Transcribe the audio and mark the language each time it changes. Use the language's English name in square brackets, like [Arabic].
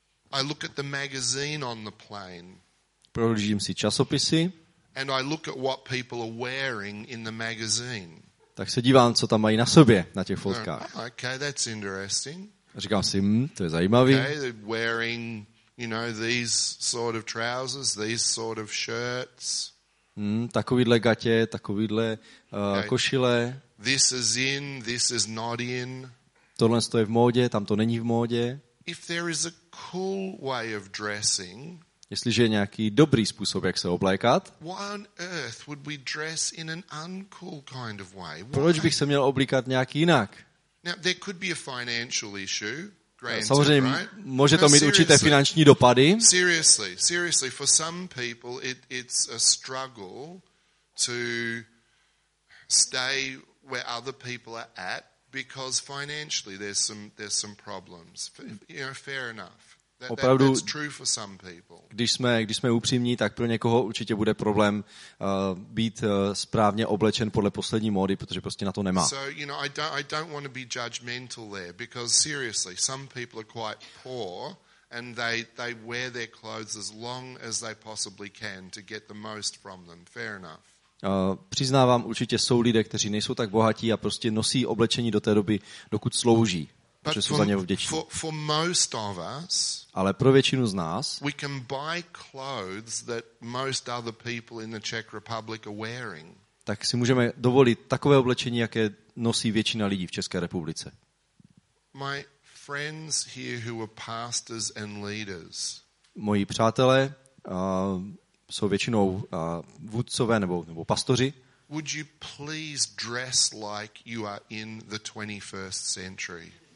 [English] I look at the magazine on the plane. [Czech] Prohlížím si časopisy. [English] And I look at what people are wearing in the magazine. [Czech] Tak se dívám, co tam mají na sobě, na těch fotkách. [English] Okay, that's interesting. [Czech] Říkám si, to je zajímavý. [English] Okay, they're wearing, you know, these sort of trousers, these sort of shirts. [Czech] Takovýhle gatě, takovýhle košile. [English] This is in, this is not in. [Czech] Tohle je v módě, tam to není v módě. [English] If there is a cool way of dressing, [Czech] jestliže je nějaký dobrý způsob, jak se oblékat, [English] why on earth would we dress in an uncool kind of way? [Czech] Proč bych se měl oblíkat nějak jinak? [English] Now, there could be a financial issue. [Czech] Samozřejmě, může to mít určité finanční dopady. [English] Seriously, for some people it's a struggle to stay where other people are at because financially there's some problems. You know, fair enough. [Czech] Opravdu, [English] that's true for some people. [Czech] Když jsme upřímní, tak pro někoho určitě bude problém být správně oblečen podle poslední módy, protože prostě na to nemá. [English] So, you know, I don't want to be judgmental there because seriously, some people are quite poor and they wear their clothes as long as they possibly can to get the most from them. Fair enough. [Czech] Přiznávám, určitě jsou lidé, kteří nejsou tak bohatí a prostě nosí oblečení do té doby, dokud slouží. Protože jsou za něho vděční. [English] For most of us, [Czech] ale pro většinu z nás, [English] we can buy clothes that most other people in the Czech Republic are wearing. [Czech] Tak si můžeme dovolit takové oblečení, jaké nosí většina lidí v České republice. [English] My friends here who are pastors and leaders. [Czech] Moji přátelé, jsou většinou vůdcové nebo pastoři. [English] Would you please dress like you are in the 21st century?